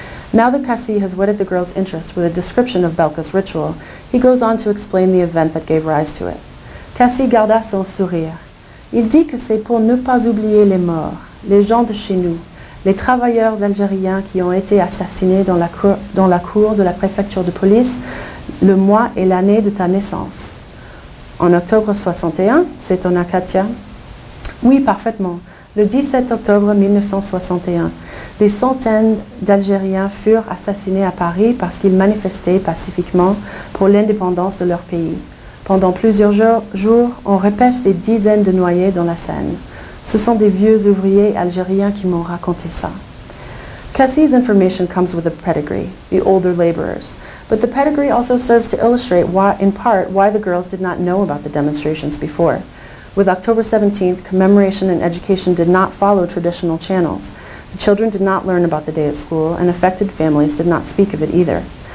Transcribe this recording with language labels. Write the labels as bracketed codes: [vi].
[en] Now that Cassie has whetted the girl's interest with a description of Belka's ritual, he goes on to explain the event that gave rise to it. [fr] Cassie garda son sourire. Il dit que c'est pour ne pas oublier les morts, les gens de chez nous, les travailleurs algériens qui ont été assassinés dans la cour de la préfecture de police le mois et l'année de ta naissance. En octobre 61, s'étonna Katia. Oui, parfaitement. Le 17 octobre 1961, des centaines d'Algériens furent assassinés à Paris parce qu'ils manifestaient pacifiquement pour l'indépendance de leur pays. Pendant plusieurs jours, on repêche des dizaines de noyés dans la Seine. Ce sont des vieux ouvriers algériens qui m'ont raconté ça. [en] Cassie's information comes with a pedigree, the older laborers, but the pedigree also serves to illustrate why, in part, why the girls did not know about the demonstrations before. With October 17th, commemoration and education did not follow traditional channels. The children did not learn about the day at school, and affected families did not speak of it either.